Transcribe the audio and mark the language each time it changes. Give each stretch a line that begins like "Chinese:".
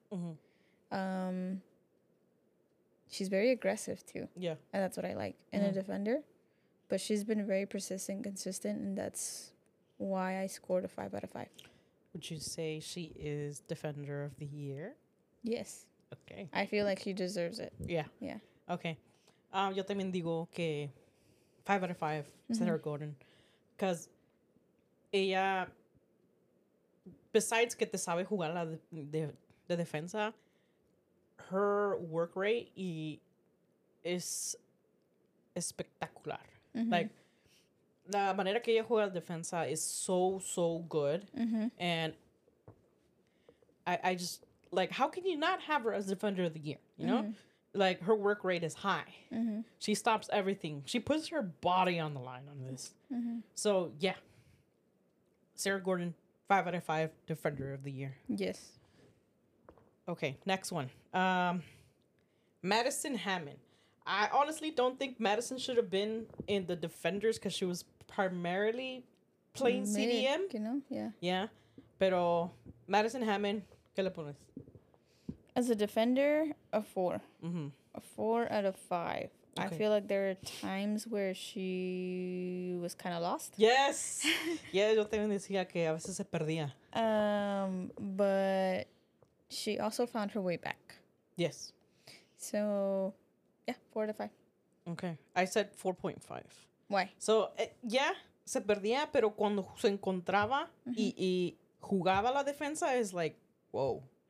English: Mm-hmm. She's very aggressive, too. Yeah. And that's what I like in mm-hmm. a defender. But she's been very persistent, consistent, and that's why I scored a 5 out of 5. Would you say she is defender of the year? Yes. Okay. I feel like she deserves it. Yeah. Yeah. Okay.
Spanish: Yo también digo que
English: 5 out of 5,
Spanish: Sarah mm-hmm. Gordon.
English: Because
Spanish: ella,
English: besides
Spanish: que te sabe jugar la de defensa,
English: her work rate is
Spanish: espectacular. Mm-hmm.
English: Like,
Spanish: la manera que ella juega la defensa
English: is so, so good. Mm-hmm. And I just, like, how can you not have her as defender of the year, you know? Mm-hmm. Like, her work rate is high. Mm-hmm. She stops everything. She puts her body on the line on this. Mm-hmm. So, yeah. Sarah Gordon, 5 out of 5, defender of the year. Yes. Okay, next one. Madison Hammond. I honestly don't think Madison should have been in the defenders because she was primarily playing CDM. You know, yeah. Yeah.
Spanish: Pero Madison Hammond, ¿qué le pones?
English: As a defender, a 4. Mm-hmm. A 4 out of 5. Okay. I feel like there are times where she was kind of lost. Yes. Yeah,
Spanish: yo también decía que a veces se perdía.
English: But she also found her way back. Yes. So, yeah, 4 out of 5. Okay. I said 4.5. Why? So, yeah,
Spanish: se perdía, pero cuando se encontraba y jugaba la defensa, es
English: like, wow.